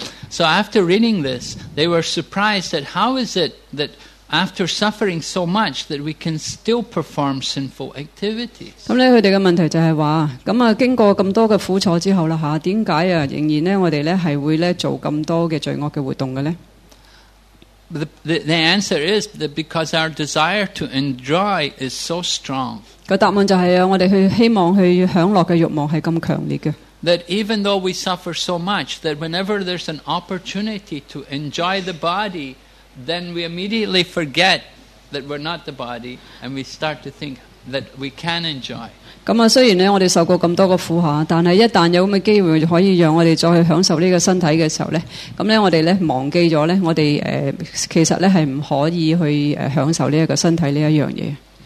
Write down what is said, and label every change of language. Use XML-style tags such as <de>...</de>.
<en>？So after reading this, they were surprised at how is it that after suffering so much that we can still perform sinful activities.</en> <yue>咁咧，佢哋嘅問題就係話，咁啊，經過咁多嘅苦楚之後啦，嚇，點解啊，仍然咧，我哋咧係會咧做咁多嘅罪惡嘅活動嘅咧</yue> <en>？The answer is that because our desire to enjoy is so strong.</en> <yue>個答案就係啊，我哋去希望去享樂嘅慾望係咁強烈嘅。</yue> <en>That even though we suffer so much, that whenever there's an opportunity to enjoy the body. Then we immediately forget that we're not the body, and we start to think that we can enjoy.</en> <yue>咁啊，雖然咧我哋受過咁多嘅苦嚇，但係一旦有咁嘅機會可以讓我哋再去享受呢個身體嘅時候咧，咁咧我哋咧忘記咗咧，我哋其實咧係唔可以去享受呢一個身體呢一樣嘢。</yue>